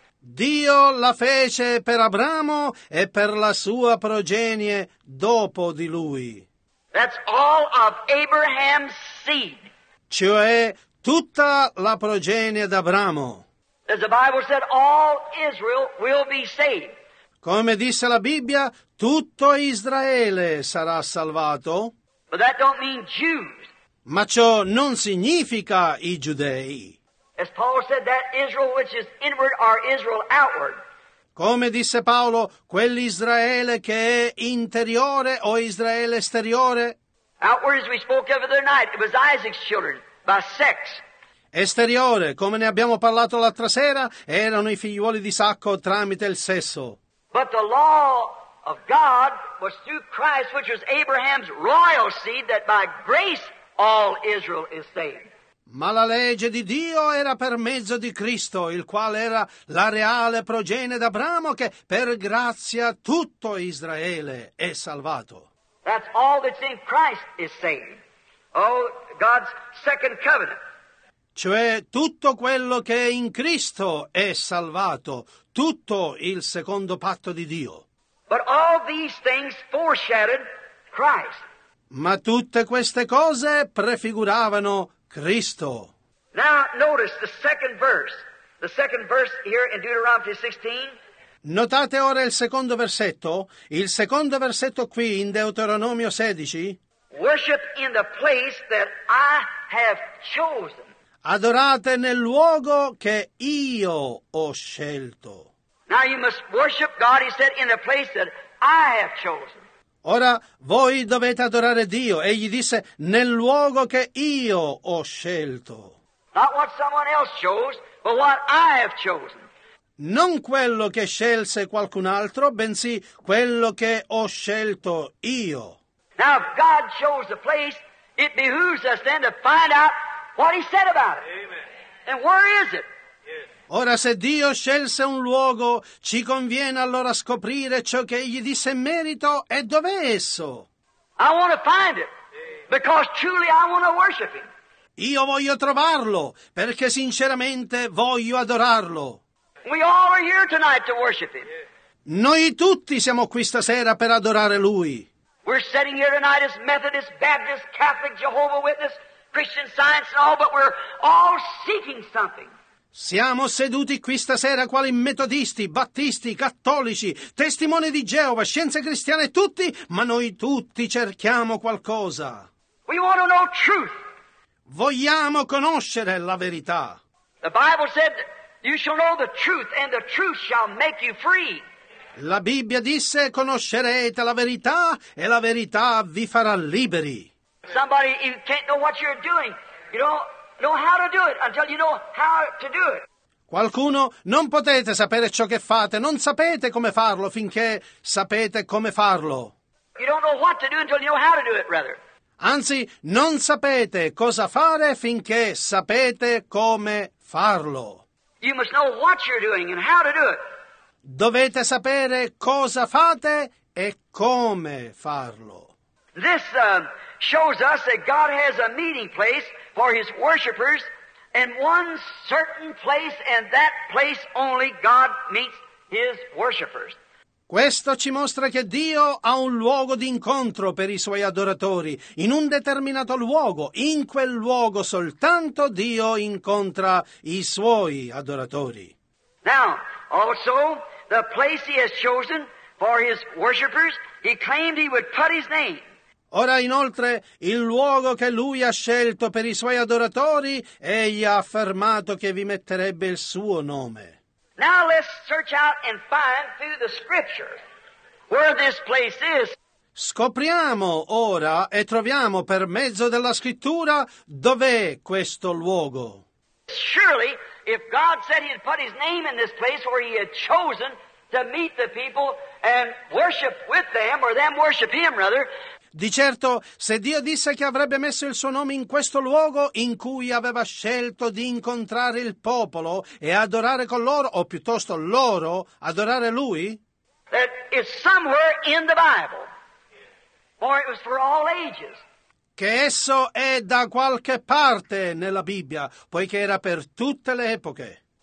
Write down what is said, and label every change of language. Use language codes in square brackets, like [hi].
[it] Dio la fece per Abramo e per la sua progenie dopo di lui. [en] That's all of Abraham's seed. [it] Cioè tutta la progenie d'Abramo. [en] As the Bible said, all Israel will be saved. [it] Come disse la Bibbia, tutto Israele sarà salvato. [en] But that don't mean Jews. [it] Ma ciò non significa i giudei. [en] As Paul said, that Israel which is inward are Israel outward. [it] Come disse Paolo, quell'Israele che è interiore o Israele esteriore? [en] Outward, as we spoke of the other night, it was Isaac's children by sex. [it] Esteriore, come ne abbiamo parlato l'altra sera, erano i figliuoli di Isacco tramite il sesso. [en] But the law of God was through Christ, which was Abraham's royal seed, that by grace all Israel is saved. [it] Ma la legge di Dio era per mezzo di Cristo, il quale era la reale progenie d'Abramo, che per grazia tutto Israele è salvato. [en] That's all that's in Christ is saved. Oh, God's second covenant. [it] Cioè tutto quello che è in Cristo è salvato, tutto il secondo patto di Dio. [en] But all these things foreshadowed Christ. [it] Ma tutte queste cose prefiguravano Cristo. [en] Now notice the second verse here in Deuteronomy 16. [it] Notate ora il secondo versetto qui in Deuteronomio 16. [en] Worship in the place that I have chosen. [it] Adorate nel luogo che io ho scelto. [en] Now you must worship God, he said, in the place that I have chosen. [it] Ora voi dovete adorare Dio, egli disse, nel luogo che io ho scelto. [en] Not what someone else chose, but what I have chosen. [it] Non quello che scelse qualcun altro, bensì quello che ho scelto io. [en] Now if God chose the place, it behooves us then to find out what he said about it. Amen. And where is it? [it] Ora, se Dio scelse un luogo, ci conviene allora scoprire ciò che egli disse in merito e dov'è esso. [en] I want to find it, because truly I want to worship him. [it] Io voglio trovarlo, perché sinceramente voglio adorarlo. [en] We all are here tonight to worship him. [it] Noi tutti siamo qui stasera per adorare lui. [en] We're sitting here tonight as Methodist, Baptist, Catholic, Jehovah's Witness, Christian Science and all, but we're all seeking something. [it] Siamo seduti qui stasera quali metodisti, battisti, cattolici, testimoni di Geova, scienze cristiane, tutti, ma noi tutti cerchiamo qualcosa. [en] We want to know truth. [it] Vogliamo conoscere la verità. [en] The Bible said, you shall know the truth, and the truth shall make you free. [it] La Bibbia disse, conoscerete la verità, e la verità vi farà liberi. [en] Somebody, you can't know what you're doing, you know. Know how to do it until you know how to do it. [it] Qualcuno, non potete sapere ciò che fate, non sapete come farlo finché sapete come farlo. [en] You don't know what to do until you know how to do it, rather. [it] Anzi, non sapete cosa fare finché sapete come farlo. [en] You must know what you're doing and how to do it. [it] Dovete sapere cosa fate e come farlo. [en] This shows us that God has a meeting place for his worshipers, and one certain place, and that place only God meets his worshipers. [it] Questo ci mostra che Dio ha un luogo di incontro per i suoi adoratori, in un determinato luogo, in quel luogo soltanto Dio incontra i suoi adoratori. [en] Now, also, the place he has chosen for his worshipers, he claimed he would put his name. [it] Ora inoltre, il luogo che lui ha scelto per i suoi adoratori, egli ha affermato che vi metterebbe il suo nome. [en] Now let's search out and find through the scripture where this place is. [it] Scopriamo ora e troviamo per mezzo della scrittura dov'è questo luogo. [en] Surely, if God said he had put his name in this place where he had chosen to meet the people and worship with them, or them worship him rather. [it] Di certo, se Dio disse che avrebbe messo il suo nome in questo luogo in cui aveva scelto di incontrare il popolo e adorare con loro, o piuttosto loro, adorare Lui, [en] that is somewhere in the Bible, or it was for all ages. [it] Che esso è da qualche parte nella Bibbia, poiché era per tutte le epoche.